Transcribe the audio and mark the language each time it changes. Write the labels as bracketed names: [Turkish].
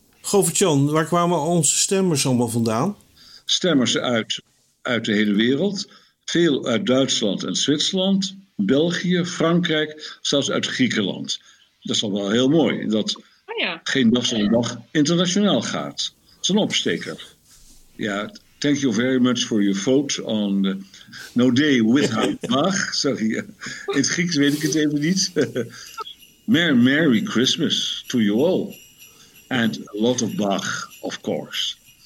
[Dutch] Govert-Jan, waar kwamen onze stemmers allemaal vandaan? Stemmers uit de hele wereld. Veel uit Duitsland en Zwitserland, België, Frankrijk, zelfs uit Griekenland. Dat is al wel heel mooi, dat geen dag zonder dag internationaal gaat. Dat is een opsteker. [English] Ja, thank you very much for your vote on the no day without Bach. [Dutch] Sorry, in het Grieks weet ik het even niet. [English] Merry Christmas to you all. And a lot of Bach, of course.